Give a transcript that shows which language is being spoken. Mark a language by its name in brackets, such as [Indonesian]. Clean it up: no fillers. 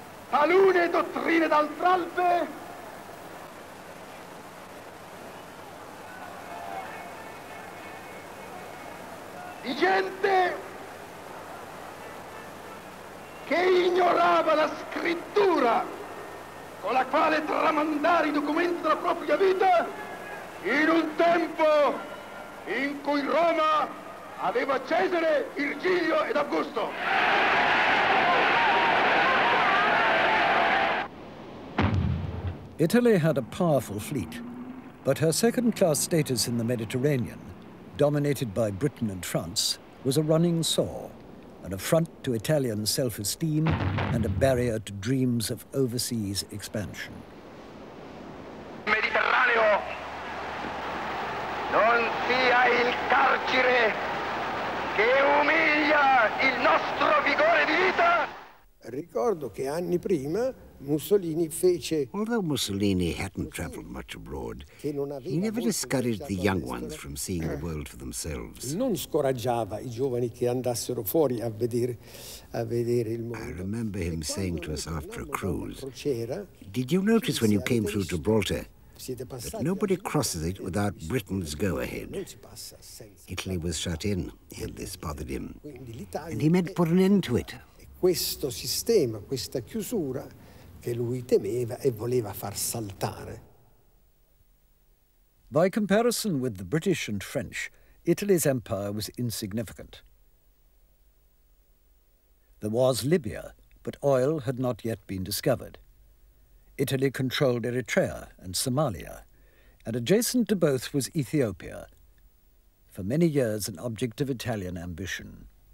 [Italian] Talune dottrine d'altr'alpe di gente che ignorava la scrittura con la quale tramandare i documenti della propria vita in un tempo in cui Roma aveva Cesare, Virgilio ed Augusto. [English] Italy had a powerful fleet, but her second-class status in the Mediterranean, dominated by Britain and France, was a running sore, an affront to Italian self-esteem and a barrier to dreams of overseas expansion. [Italian] Mediterraneo non sia il carcere che umilia il nostro vigore di vita. Ricordo che anni prima Mussolini fece. [English] Although Mussolini hadn't traveled much abroad, he never discouraged the young ones from seeing the world for themselves. [Italian] Non scoraggiava i giovani che andassero fuori a vedere il mondo. [English] I remember him saying to us after a cruise, "Did you notice when you came through Gibraltar that nobody crosses it without Britain's go-ahead?" Italy was shut in, and this bothered him. And he meant to put an end to it. [Italian] Questo sistema, questa chiusura che lui temeva e voleva far saltare. [English] By comparison with the British and French, Italy's empire was insignificant. There was Libya, but oil had not yet been discovered. Italy controlled Eritrea and Somalia, and adjacent to both was Ethiopia, for many years an object of Italian ambition.